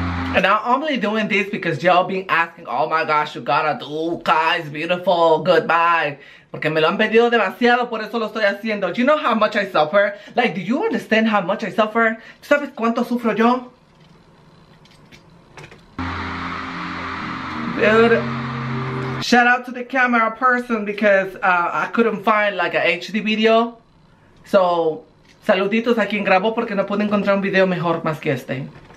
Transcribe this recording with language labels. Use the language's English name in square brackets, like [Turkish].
[English] And I'm only doing this because y'all been asking, oh my gosh, you gotta do Kai's Beautiful Goodbye. [Spanish] Porque me lo han pedido demasiado, por eso lo estoy haciendo. [English] Do you know how much I suffer? Like, do you understand how much I suffer? [Spanish] ¿Sabes cuánto sufro yo? [English] Dude. Shout out to the camera person because I couldn't find like an HD video. [Spanish] So, saluditos a quien grabó porque no pude encontrar un video mejor más que este.